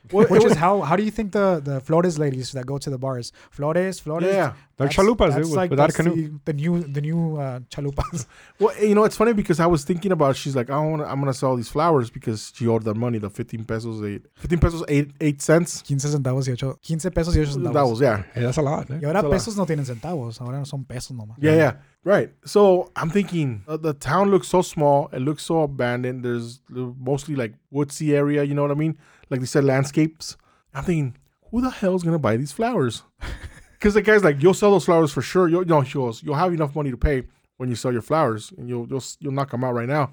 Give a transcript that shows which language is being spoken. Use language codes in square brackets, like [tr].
[en] Which is how do you think the Flores ladies that go to the bars, Flores? Yeah. They're chalupas. The new chalupas. Well, you know, it's funny because I was thinking about, she's like, I'm going to sell these flowers because she owed the money, the 15 pesos, eight cents. [es] 15 centavos y ocho. 15 pesos y ocho centavos. [en] Yeah. Hey, that's a lot. [es] Y ahora pesos no tienen centavos. Ahora no son pesos nomás. [en] Yeah. Right. So I'm thinking the town looks so small. It looks so abandoned. There's mostly like woodsy area. You know what I mean? Like they said, landscapes. I'm thinking, who the hell is going to buy these flowers? Because the guy's like, you'll sell those flowers for sure. You'll have enough money to pay when you sell your flowers, and you'll knock them out right now.